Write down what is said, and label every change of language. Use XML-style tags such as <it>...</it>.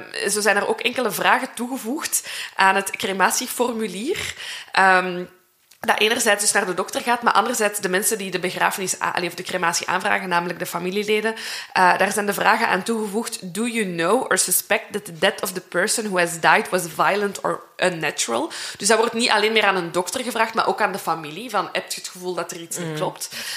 <nl>Zo zijn er ook enkele vragen toegevoegd aan het crematieformulier. Dat enerzijds dus naar de dokter gaat, maar anderzijds de mensen die de begrafenis of de crematie aanvragen, namelijk de familieleden, daar zijn de vragen aan toegevoegd.</nl> <en>Do you know or suspect that the death of the person who has died was violent or unnatural?</en> <nl>Dus dat wordt niet alleen meer aan een dokter gevraagd, maar ook aan de familie. Van, heb je het gevoel dat er iets niet klopt?</nl>